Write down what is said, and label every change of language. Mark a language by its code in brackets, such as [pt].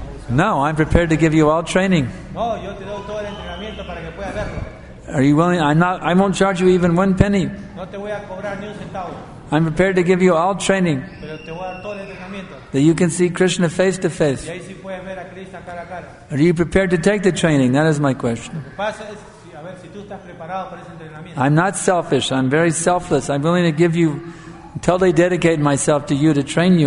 [en] No, I'm prepared to give you all training. [es] Oh, yo te doy todo el entrenamiento para que puedas verlo. [en] Are you willing? I won't charge you even one penny. [es] No te voy a cobrar ni un centavo. [en] I'm prepared to give you all training. [es] Pero te voy a dar todo el entrenamiento. [en] That you can see Krishna face to face. [es] Y ahí sí puedes ver a Krishna cara a cara. [en] Are you prepared to take the training? That is my question. [es] Lo que pasa es, a ver, si tú estás preparado para ese entrenamiento. [en] I'm not selfish. I'm very selfless. I'm willing to give you until they dedicate myself to you to train you